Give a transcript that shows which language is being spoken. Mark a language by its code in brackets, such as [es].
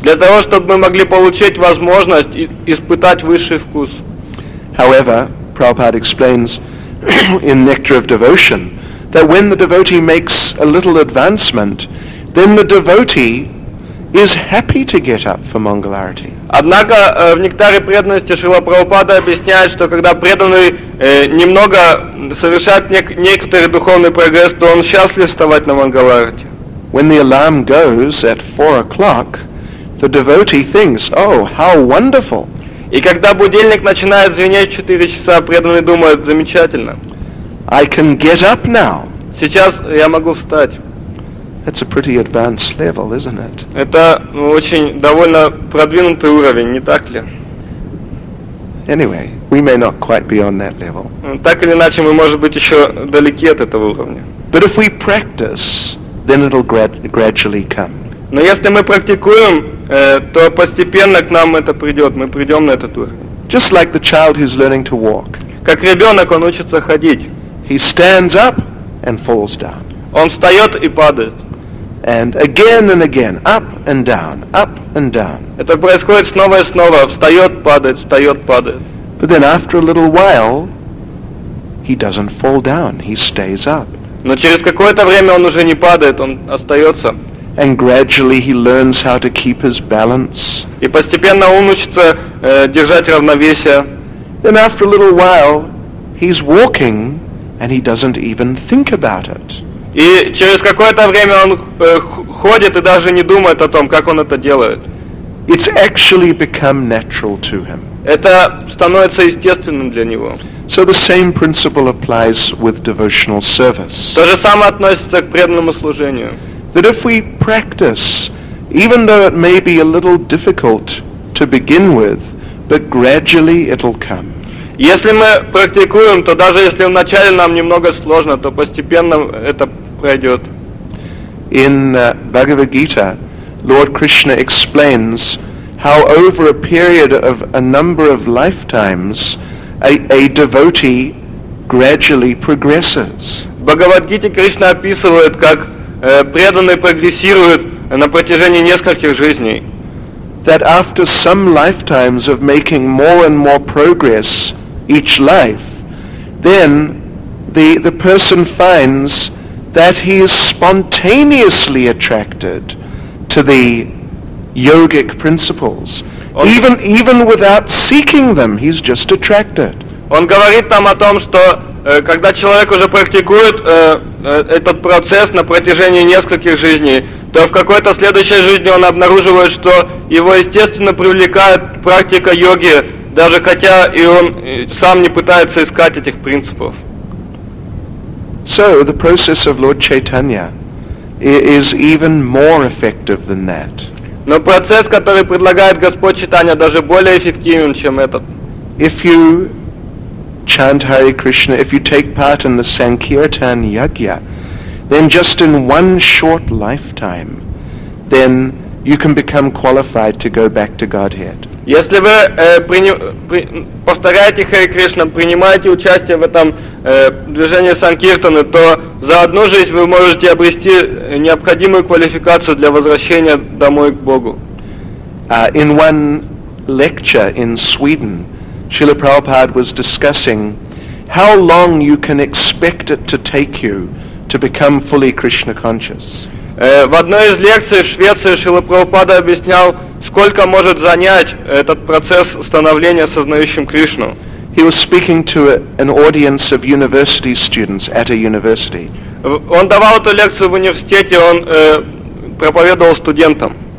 [ru] Для того, чтобы мы могли получить возможность испытать высший вкус. [en] However, Prabhupada explains in Nectar of Devotion that when the devotee makes a little advancement, then the devotee is happy to get up for Mangal Arati. [ru] Однако в Нектаре преданности Шрила Прабхупада объясняет, что когда преданный немного совершает некоторый духовный прогресс, то он счастлив вставать на Мангал Арати. [en] When the alarm goes at 4 o'clock, the devotee thinks, "Oh, how wonderful!" [ru] И когда будильник начинает звенеть в 4 часа, преданный думает, замечательно. [en] I can get up now. [ru] Сейчас я могу встать. [en] That's a pretty advanced level, isn't it? [ru] Это очень довольно продвинутый уровень, не так ли? [en] Anyway, we may not quite be on that level. [ru] Так или иначе, мы, может быть, еще далеки от этого уровня. [en] But if we practice, then it'll gradually come. [ru] Но если мы практикуем, то постепенно к нам это придет, мы придем на этот уровень. [en] Just like the child who's learning to walk. [ru] Как ребенок, он учится ходить. [en] He stands up and falls down. [ru] Он встает и падает. [en] And again and again, up and down, up and down. [ru] Это происходит снова и снова, встает, падает, встает, падает. [en] But then after a little while, he doesn't fall down, he stays up. [ru] Но через какое-то время он уже не падает, он остается. [en] And gradually he learns how to keep his balance. [ru] И постепенно он учится держать равновесие. [en] Then after a little while, he's walking and he doesn't even think about it. [ru] И через какое-то время он ходит и даже не думает о том, как он это делает. [en] It's actually become natural to him. [ru] Это становится естественным для него. [en] So the same principle applies with devotional service. [ru] То же самое относится к преданному служению. [en] That if we practice, even though it may be a little difficult to begin with, but gradually it'll come. [ru] Если мы практикуем, то даже если вначале нам немного сложно, то постепенно это пройдет. [en] In Bhagavad Gita, Lord Krishna explains how over a period of a number of lifetimes, a devotee gradually progresses. [ru] Бхагавад-гите Кришна описывает, как преданный прогрессирует на протяжении нескольких жизней. [en] That after some lifetimes of making more and more progress each life, then the person finds that he is spontaneously attracted to the yogic principles. Even without seeking them, he's just attracted. [ru] Он говорит там о том, что когда человек уже практикует этот процесс на протяжении нескольких жизней, то в какой-то следующей жизни он обнаруживает, что его естественно привлекает практика йоги, даже хотя и он сам не пытается искать этих принципов. [en] So the process of Lord Chaitanya is even more effective than that. [ru] Но процесс, который предлагает Господь Читания, даже более эффективен, чем этот. [en] If you chant Hare Krishna, if you take part in the Sankirtan Yajna, then just in one short lifetime, then you can become qualified to go back to Godhead. [ru] Если вы повторяете Харе Кришна, принимаете участие в этом движении Санкиртаны, то за одну жизнь вы можете обрести необходимую квалификацию для возвращения домой к Богу. [en] In one lecture in Sweden, Srila Prabhupada was discussing how long you can expect it to take you to become fully Krishna conscious. [ru] В одной из лекций в Швеции Шрила Прабхупада объяснял, сколько может занять этот процесс становления сознающим Кришну. [en] He was speaking to an audience of university students at a university. [ru] Он давал эту лекцию в университете, он проповедовал студентам.